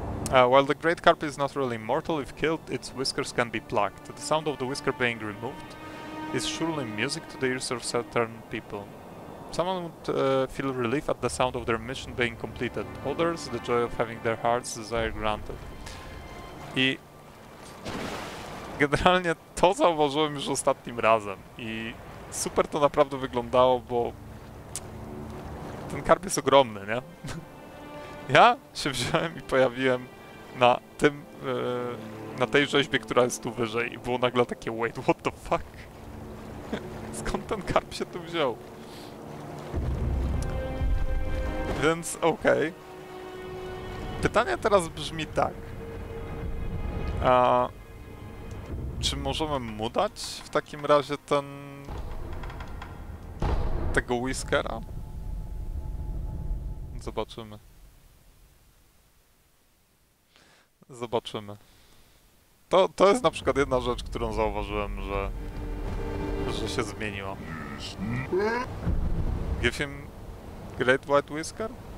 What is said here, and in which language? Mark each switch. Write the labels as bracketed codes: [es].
[en] While the great carp is not really mortal, if killed, its whiskers can be plucked. The sound of the whisker being removed is surely music to the ears of certain people. Someone would feel relief at the sound of their mission being completed. Others, the joy of having their heart's desire granted. I [pl] generalnie to zauważyłem już ostatnim razem i super to naprawdę wyglądało, bo ten karp jest ogromny, nie? Ja się wziąłem i pojawiłem na tym, na tej rzeźbie, która jest tu wyżej i było nagle takie, [en] wait, what the fuck? [pl] Skąd ten karp się tu wziął? Więc okej. Okay. Pytanie teraz brzmi tak. Czy możemy mu dać w takim razie ten... tego Whiskera? Zobaczymy. Zobaczymy. To jest na przykład jedna rzecz, którą zauważyłem, że się zmieniła. [en] Give him Great White Whisker?